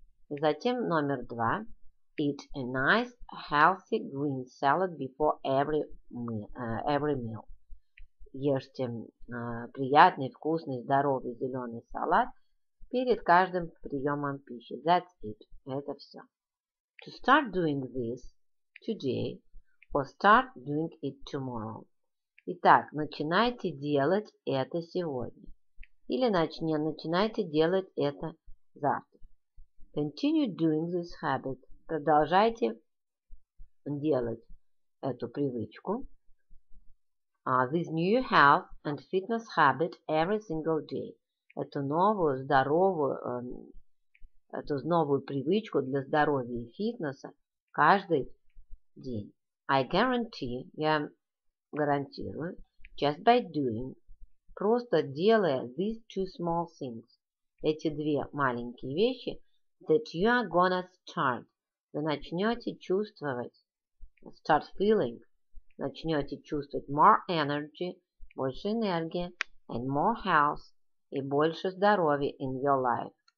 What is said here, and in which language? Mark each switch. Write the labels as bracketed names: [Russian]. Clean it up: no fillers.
[Russian] И затем номер два. [English] Eat a nice, healthy green salad before every meal. [Russian] Ешьте приятный, вкусный, здоровый зеленый салат перед каждым приемом пищи. [English] That's it. [Russian] Это все. [English] To start doing this today, or start doing it tomorrow. [Russian] Итак, начинайте делать это сегодня. Или начинайте делать это завтра. [English] Continue doing this habit. [Russian] Продолжайте делать эту привычку. [English] This new health and fitness habit every single day. [Russian] Эту новую новую привычку для здоровья и фитнеса каждый день. [English] I guarantee, [Russian] я гарантирую, [English] just by doing, [Russian] просто делая [English] these two small things, [Russian] эти две маленькие вещи, [English] that you are gonna start, [Russian] вы начнете чувствовать, [English] start feeling, [Russian] начнете чувствовать [English] more energy, [Russian] больше энергии, [English] and more health, [Russian] и больше здоровья [English] in your life.